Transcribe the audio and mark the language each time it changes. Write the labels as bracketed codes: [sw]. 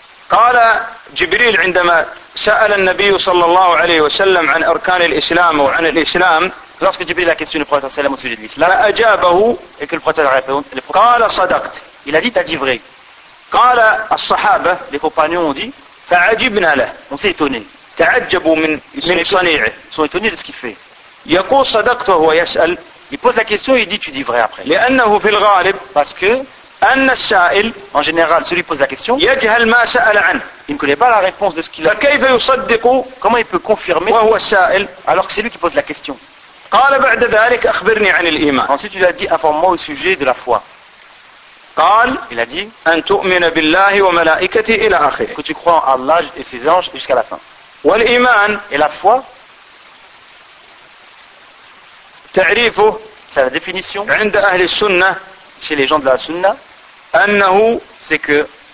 [ar] قال جبريل عندما سأل النبي صلى الله عليه وسلم عن أركان الإسلام وعن الإسلام, [fr] lorsque Jibril a questionné le prophète [ar] صلى الله عليه وسلم [fr] au sujet de l'islam, [ar] أجابه, [fr] et que le prophète a répondu, [ar] قال صدقت, [fr] il a dit, t'as dit vrai. [ar] قال الصحابة, [fr] les compagnons ont dit, [ar] فعجبنا له, [fr] on s'est étonné, [ar] تعجبوا من صنيعه, [fr] sont étonnés de ce qu'il fait. [ar] يقول صدقت وهو يسأل, [fr] il pose la question, il dit, tu dis vrai après. [ar] لأنه في الغالب, [fr] parce que, [ar] أن السائل, [fr] en général, celui qui pose la question, [ar] يجهل ما سأل عنه, [fr] il ne connaît pas la réponse de ce qu'il a. [ar] فكيف يصدق, [fr] comment il peut confirmer, [ar] وهو السائل, [fr] alors que c'est lui qui pose la question. [ar] قال بعد ذلك أخبرني عن الإيمان, [fr] ensuite il a dit, informe-moi au sujet de la foi. [ar] قال, [fr] il a dit, [ar] أن تؤمن بالله وملائكته إلى آخره, [fr] que tu crois en Allah et ses anges jusqu'à la fin. [ar] والإيمان, [fr] et la foi, [ar] تعريفه, [fr] c'est la définition, [ar] عند أهل السنة, [fr] chez les gens de la Sunna, [ar] أنه, [fr] c'est que,